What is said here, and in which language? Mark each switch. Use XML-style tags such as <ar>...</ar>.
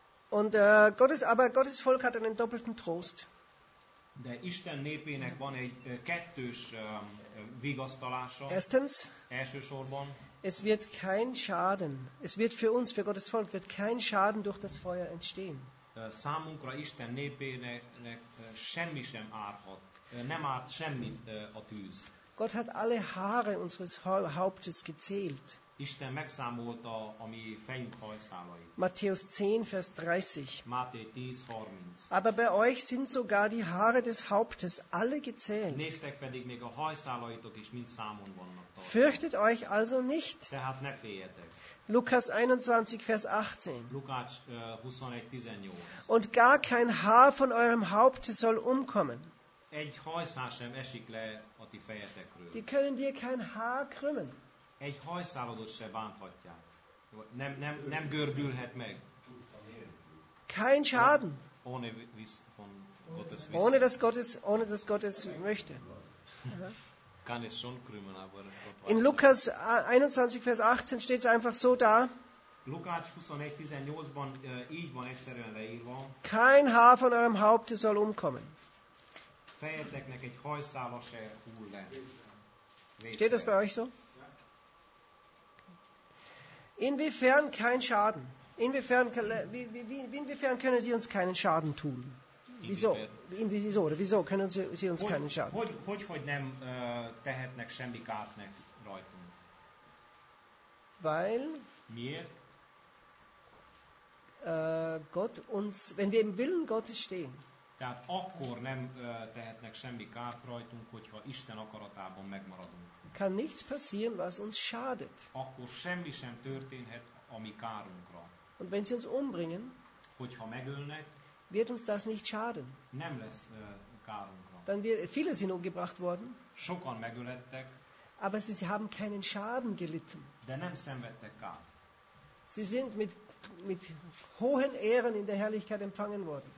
<de>Und Gottes Volk hat einen doppelten Trost.</de> <hu>De Isten népének van egy kettős vigasztalása.</hu> <de>Erstens,</de> <hu>elsősorban,</hu> <de>es wird kein Schaden, es wird für uns, für Gottes Volk, wird kein Schaden durch das Feuer entstehen.</de> <hu>Számunkra Isten népének semmi sem árhat. Nem árt semmit a tűz.</hu> <de>Gott hat alle Haare unseres Hauptes gezählt.</de> <hu>Isten megszámolta a mi fejünk hajszálait.</hu> <de>Matthäus 10, Vers 30.</de> <hu>Máté 10, 30.</hu> <de>Aber bei euch sind sogar die Haare des Hauptes alle gezählt.</de> <hu>Néktek pedig még a hajszálaitok is mind számon vannak tartva.</hu> <de>Fürchtet euch also nicht.</de> <hu>Tehát ne féljetek.</hu> <de>Lukas 21, Vers 18.</de> <hu>Lukács 21, 18.</hu> <de>Und gar kein Haar von eurem Haupte soll umkommen.</de> <hu>Egy hajszál sem esik le a ti fejetekről.</hu> <de>Die können dir kein Haar krümmen.</de> <hu>Egy hajszálodot se bánthatják. Nem gördülhet meg.</hu> <de>Kein Schaden. Ohne Wiss von Gottes Wissen. Ohne dass Gottes, möchte. Kann es schon krümmen, aber in Lukas 21, Vers 18 steht es einfach so da.</de> <hu>Lukács 21:18-ban így van egyszerűen leírva.</hu> <de>Kein Haar von eurem Haupte soll umkommen.</de> <hu>Fejeteknek egy hajszála se hull le.</hu> <de>Steht das bei euch so? Inwiefern kein Schaden? Inwiefern können sie uns keinen Schaden tun? Wieso können sie uns keinen Schaden tun?</de> <hu>Hogy nem tehetnek semmi kárt nek rajtunk?</hu> <de>Weil?</de> <hu>Miért?</hu> <de>Gott uns, wenn wir im Willen Gottes stehen.</de> <hu>Tehát akkor nem tehetnek semmi kárt rajtunk, hogyha Isten akaratában megmaradunk.</hu> <de>Kann nichts passieren, was uns schadet.</de> <hu>Akkor semmi sem történhet, ami kárunkra.</hu> <de>Und wenn sie uns umbringen,</de> <hu>hogyha megölnek,</hu> <de>wird uns das nicht schaden.</de> <hu>Nem lesz kárunkra.</hu> <de>Dann wird, viele sind umgebracht worden.</de> <hu>Sokan megölettek.</hu> <de>Aber sie haben keinen Schaden gelitten.</de> <hu>De nem szenvedtek kárt.</hu> <de>Sie sind mit hohen Ehren in der Herrlichkeit empfangen worden.</de>